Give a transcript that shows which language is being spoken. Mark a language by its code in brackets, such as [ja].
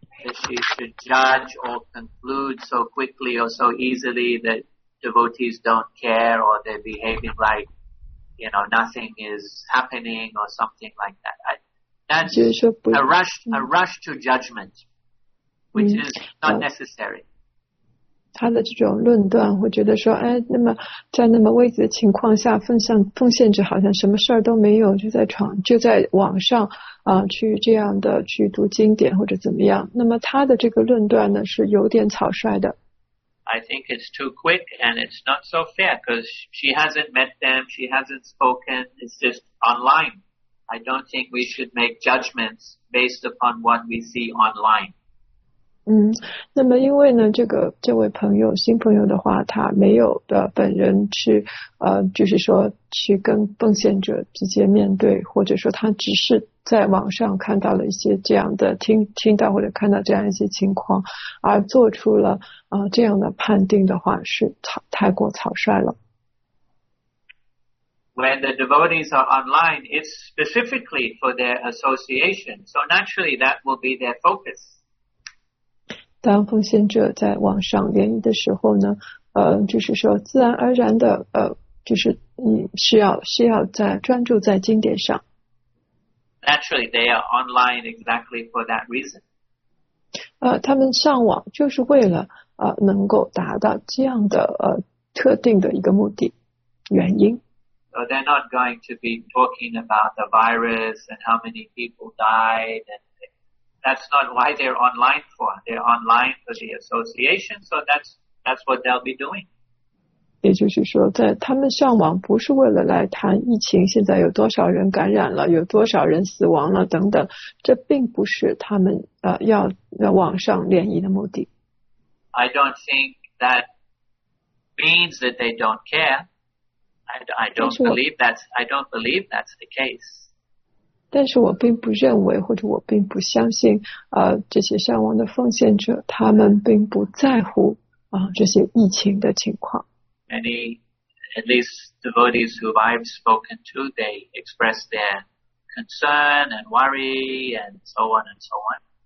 [en] That she should judge or conclude so quickly or so easily that. Devotees don't care, or they're behaving like, you know, nothing is happening, or something like that. That's a rush to judgment, which is not necessary. [zh] 他的这种论断，我觉得说，那么在那么危急的情况下，奉献者好像什么事儿都没有，就在网上去这样的去读经典或者怎么样。那么他的这个论断呢，是有点草率的。 [en] I think it's too quick and it's not so fair because she hasn't met them, she hasn't spoken, it's just online. I don't think we should make judgments based upon what we see online. [zh] 那么因为呢这位朋友新朋友的话他没有的本人去就是说去跟奉献者直接面对或者说他只是在网上看到了一些这样的听到或者看到这样一些情况而做出了这样的判定的话是太过草率了。 [en] when the devotees are online, it's specifically for their association. So naturally, that will be their focus. [zh] 当奉献者在网上联谊的时候呢，就是说自然而然的，就是需要在专注在经典上。 [en] Naturally, they are online exactly for that reason. [zh] 他们上网就是为了能够达到这样的特定的一个目的原因。 [en] So they're not going to be talking about the virus and how many people died. That's not why they're online for. They're online for the association, so that's what they'll be doing. [zh] 也就是说，在他们上网不是为了来谈疫情，现在有多少人感染了，有多少人死亡了等等，这并不是他们要网上联谊的目的。 [en] I don't think that means that they don't care. I don't believe that's the case. [zh] 但是我并不认为或者我并不相信这些上网的奉献者他们并不在乎这些疫情的情况。 [en] Many, at least devotees who I've spoken to, they express their concern and worry and so on and so on.